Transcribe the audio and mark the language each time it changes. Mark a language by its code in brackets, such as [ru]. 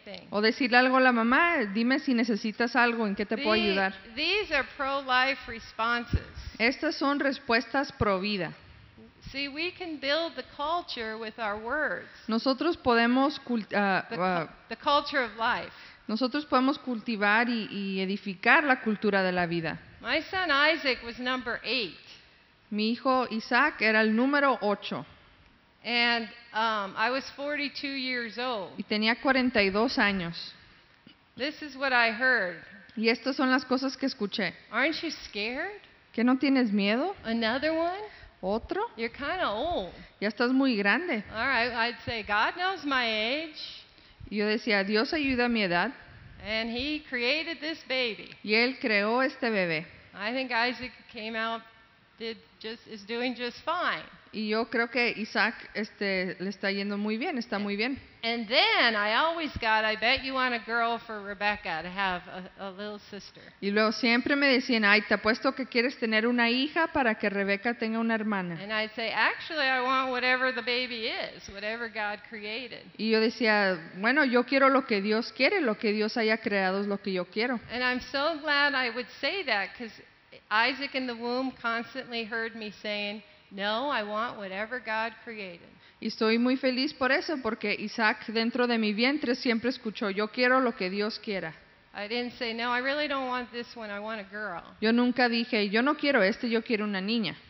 [es] O decirle algo a la mamá, dime si necesitas algo, en qué te puedo ayudar. [en] These are pro-life responses. [es] Estas son respuestas pro vida. [en] See, we can build the culture with our words. [es] Nosotros podemos [en] the culture of life. [es] Nosotros podemos cultivar y edificar la cultura de la vida. [en] My son Isaac was number 8. [es] Mi hijo Isaac era el número 8. [en] And I was 42 years old. [es] Y tenía 42 años. [en] This is what I heard. [es] Y estas son las cosas que escuché. [en] Aren't you scared? [es] ¿Que no tienes miedo? [en] Another one? [es] ¿Otro? [en] You're kind of old. [es] Ya estás muy grande. [en] All right, I'd say God knows my age. [es] Y yo decía, Dios ayuda a mi edad. [en] And he created this baby. [es] Y él creó este bebé. [en] I think Isaac came out is doing just fine. [es] Y yo creo que Isaac le está yendo muy bien, está muy bien. [en] And then I always got, I bet you want a girl for Rebecca to have a little sister. [es] Y luego siempre me decían, ay, te apuesto que quieres tener una hija para que Rebecca tenga una hermana. [en] And I'd say, actually, I want whatever the baby is, whatever God created. [es] Y yo decía, bueno, yo quiero lo que Dios quiere, lo que Dios haya creado es lo que yo quiero. [en] And I'm so glad I would say that because Isaac in the womb constantly heard me saying, no, I want whatever God created. [es] Y estoy muy feliz por eso, porque Isaac dentro de mi vientre siempre escuchó, yo quiero lo que Dios quiera. [en] I didn't say, no, I really don't want this one, I want a girl. [es] Yo nunca dije, yo no quiero este, yo quiero una niña.